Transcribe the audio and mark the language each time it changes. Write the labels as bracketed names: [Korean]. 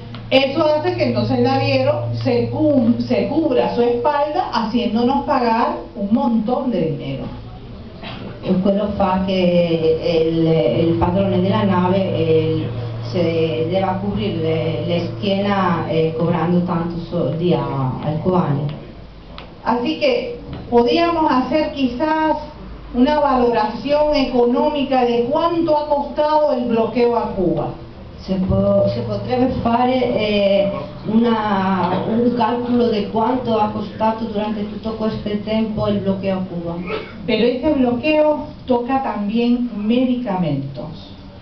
[Spanish] Eso hace que entonces el naviero se cubra su espalda haciéndonos pagar un montón de dinero. [Italian] E quello fa che il padrone della nave debba cubrir la schiena cobrando tanto soldi al cubano. [Spanish] Así que podríamos hacer quizás una valoración económica de cuánto ha costado el bloqueo a Cuba. [Italian] se potrebbe fare un calcolo di quanto ha costato durante tutto questo tempo il blocco a Cuba. [Spanish] Pero ese bloqueo toca también medicamentos.